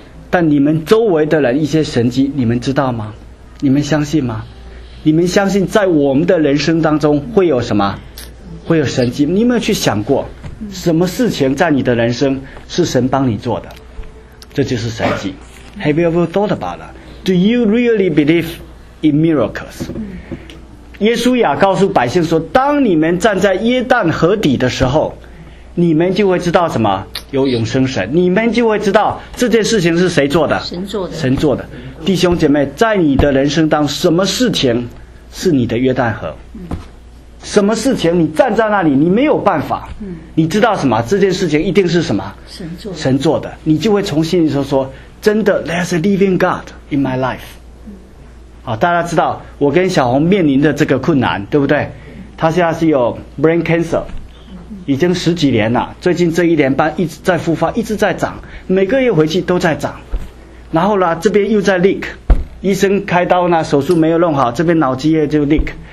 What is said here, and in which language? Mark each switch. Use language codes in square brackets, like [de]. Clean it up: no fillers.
[zh] 但你们周围的人一些神迹，你们知道吗？你们相信吗？你们相信在我们的人生当中会有什么？会有神迹？你有没有去想过，什么事情在你的人生是神帮你做的？这就是神迹。 [en] Have you ever thought about it? Do you really believe in miracles? [zh] 耶稣亚告诉百姓说，当你们站在约旦河底的时候，你们就会知道什么？有永生神。你们就会知道这件事情是谁做的？神做的。神做的。弟兄姐妹，在你的人生当中，什么事情是你的约旦河？什么事情你站在那里你没有办法？你知道什么？这件事情一定是什么？神做的。神做的。你就会从心里说，真的 [en] There's a living God in my life。 [zh] 好，大家知道我跟小红面临的这个困难，对不对？他现在是有 brain cancer，已经十几年了，最近这一年半一直在复发，一直在长，每个月回去都在长。然后呢，这边又在 leak， 医生开刀呢，手术没有弄好，这边脑积液就 leak。